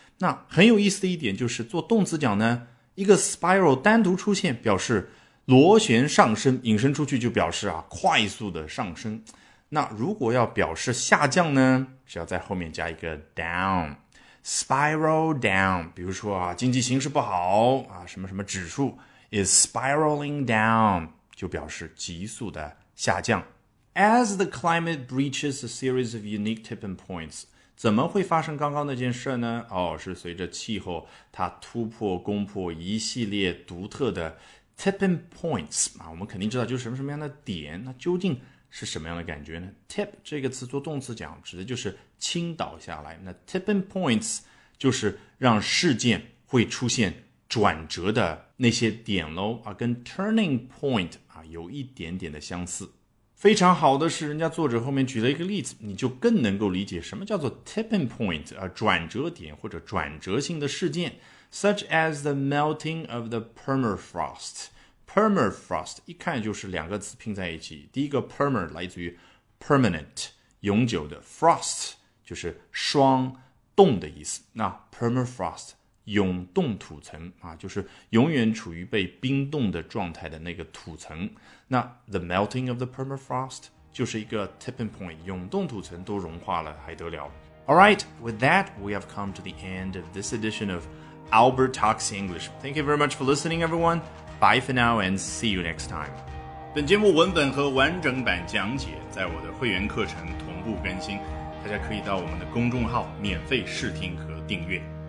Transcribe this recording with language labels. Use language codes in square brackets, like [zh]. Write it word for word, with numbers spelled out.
[zh] 那很有意思的一点就是做动词讲呢，一个 spiral 单独出现表示螺旋上升，引申出去就表示啊快速的上升。那如果要表示下降呢，只要在后面加一个 down， spiral down。比如说啊，经济形势不好啊，什么什么指数 [en] is spiraling down， [zh] 就表示急速的下降。 [en] As the climate breaches a series of unique tipping points， [zh] 怎么会发生刚刚那件事呢？哦，是随着气候它突破攻破一系列独特的tipping points 啊，我们肯定知道就是什么什么样的点，那究竟是什么样的感觉呢？ tip 这个词做动词讲指的就是倾倒下来，那 tipping points 就是让事件会出现转折的那些点咯啊，跟 turning point 啊有一点点的相似。非常好的是人家作者后面举了一个例子，你就更能够理解什么叫做 tipping point 啊，转折点或者转折性的事件。 [en] Such as the melting of the permafrost. [zh] Permafrost 一看就是两个词拼在一起，第一个 perma 来自于 permanent 永久的， frost 就是霜冻的意思。那 permafrost 永冻土层啊，就是永远处于被冰冻的状态的那个土层。那 [en] the melting of the permafrost [zh] 就是一个 tipping point， 永冻土层都融化了还得了。 [en] Alright, with that we have come to the end of this edition of Albert Talks English. Thank you very much for listening, everyone. Bye for now and see you next time. [zh] 本节目文本和完整版讲解在我的会员课程同步更新，大家可以到我们的公众号免费试听和订阅。